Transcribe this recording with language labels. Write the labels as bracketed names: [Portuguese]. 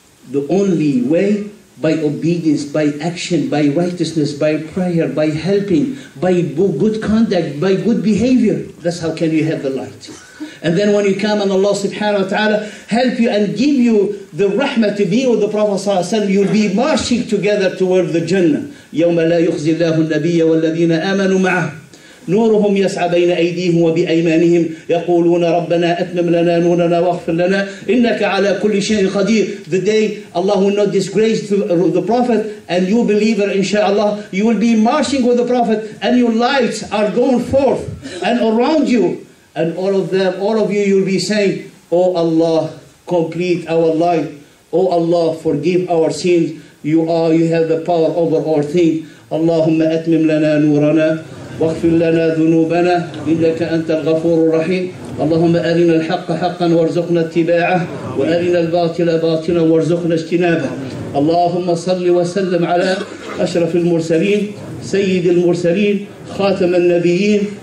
[English] The only way, by obedience, by action, by righteousness, by prayer, by helping, by good conduct, by good behavior. That's how can you have the light. And then when you come and Allah subhanahu wa ta'ala help you and give you the rahmah to be with the Prophet sallallahu alaihi wasallam, you'll be marching together toward the Jannah. [Arabic] يَوْمَ لَا يُخْزِي اللَّهُ النَّبِيَّ وَالَّذِينَ آمَنُوا مَعَهُ نورهم يسعى بين أيديهم وبأيمانهم يقولون ربنا أتمم لنا نورنا واغفر لنا إنك على كل شيء قدير. [English] The day Allah will not disgrace the Prophet, and you believer inshallah, you will be marching with the Prophet and your lights are going forth and around you, and all of them, all of you, you'll be saying, O Allah, complete our light. O Allah, forgive our sins. You have the power over all things. [Arabic] Allahumma atmim lana nurana واغفر لنا ذنوبنا إنك أنت الغفور الرحيم. اللهم أرنا الحق حقا وارزقنا اتباعه، وأرنا الباطل باطلا وارزقنا اجتنابه. اللهم صل وسلم على أشرف المرسلين، سيد المرسلين، خاتم النبيين.